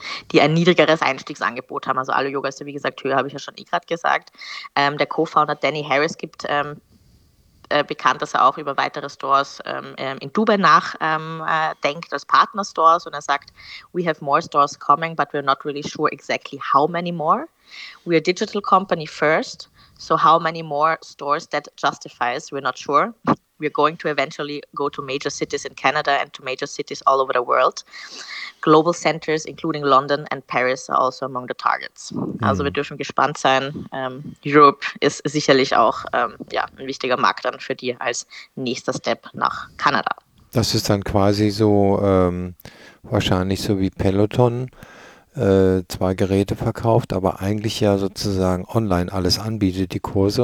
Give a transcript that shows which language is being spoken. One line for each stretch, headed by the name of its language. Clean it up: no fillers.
German: Die ein niedrigeres Einstiegsangebot haben. Also Alu-Yoga ist ja, wie gesagt, höher, habe ich ja schon eh gerade gesagt. Der Co-Founder Danny Harris gibt bekannt, dass er auch über weitere Stores in Dubai nachdenkt, als Partner-Stores, und er sagt,
English: we have more stores coming, but we're not really sure exactly how many more. We're a digital company first, so how many more stores that justifies, we're not sure. We're going to eventually go to major cities in Canada and to major cities all over the world. Global centers, including London and Paris, are also among the targets. Mhm.
German: Also wir dürfen gespannt sein. Europe ist sicherlich auch ja, ein wichtiger Markt dann für die als nächster Step nach Kanada. Das ist dann quasi so wahrscheinlich so wie Peloton, zwei Geräte verkauft, aber eigentlich ja sozusagen online alles anbietet, die Kurse.